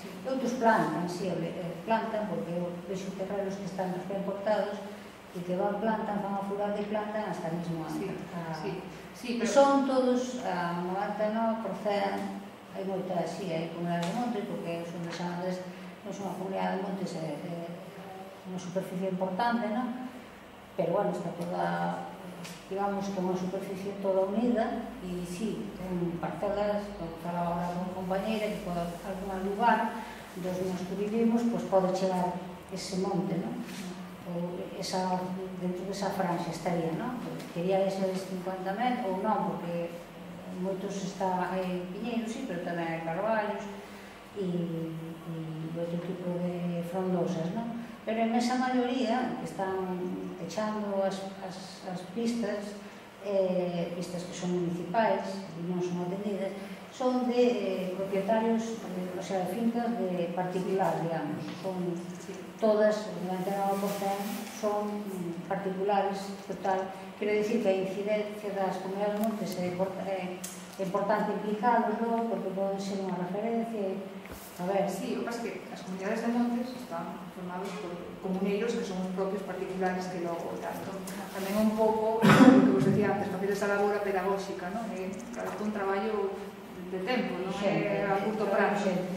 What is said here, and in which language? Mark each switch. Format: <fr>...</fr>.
<es>Y otros plantan, sí, plantan, porque ves los terrenos que están más bien cortados y que van, plantan, van a furar y plantan hasta el mismo año. Sí, pero son todos a 99%, hay muchas, sí, hay comunidades de montes, porque son los Andes, no son una comunidad de montes, es una superficie importante, ¿no?</es> <gl>Pero bueno, está toda, digamos, que unha superficie toda unida e sí, ten parcelas, como falaba agora con compañera, que pode algún lugar dos nos que vivimos, pues pode chegar ese monte, ¿no? Dentro desa franxa estaría, ¿no? Quería ese de 50 metros, ou non, porque moitos estaban en piñeiros, sí, pero tamén en carvalhos e outro tipo de frondosas, ¿no? Pero en esa maioría que están echando as pistas, pistas que son municipais e non son atendidas, son de propietarios, o sea, de fincas de particular, digamos. Son todas, durante a nova porción, son particulares, total. Quero dicir que a incidencia das comunidades montes é importante implicarlos, ¿no? Porque poden ser unha referencia. A ver, sí, o que pasa é que as comunidades de montes están formadas por comuneiros que son os propios particulares que logo tanto. Tamén un pouco, como que vos decía antes, facer esa labor pedagóxica, ¿no? É un traballo de tempo, non é a curto prazo.</gl>